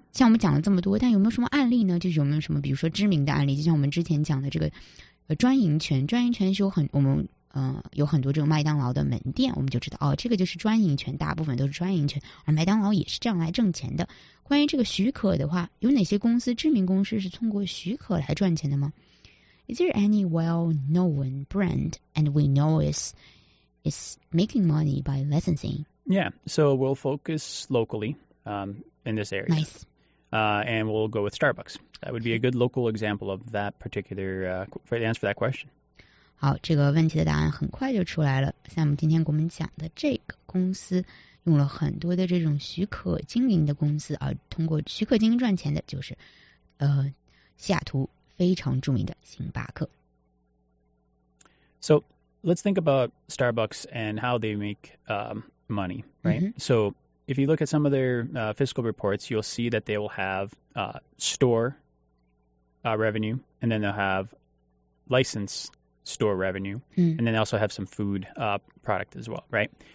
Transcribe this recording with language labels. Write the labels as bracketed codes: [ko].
[zh] 像我们讲了这么多但有没有什么案例呢就是有没有什么比如说知名的案例就像我们之前讲的这个专营权是有很我们有很多这种麦当劳的门店我们就知道哦，这个就是专营权大部分都是专营权而麦当劳也是这样来挣钱的关于这个许可的话有哪些公司知名公司是通过许可来赚钱的吗 [en] Is there any well-known brand and we know is making money by licensing? Yeah, so we'll focus locally in this area. Nice. And we'll go with Starbucks. That would be a good local example of that particular answer for that question. [zh] 好，这个问题的答案很快就出来了。Sam 今天给我们讲的这个公司用了很多的这种许可经营的公司，而通过许可经营赚钱的就是西雅图非常著名的星巴克。 [en] So let's think about Starbucks and how they make money, right?、Mm-hmm. So if you look at some of their fiscal reports, you'll see that they will have store revenue, and then they'll have license store revenue,、mm-hmm. and then they also have some food product as well, right?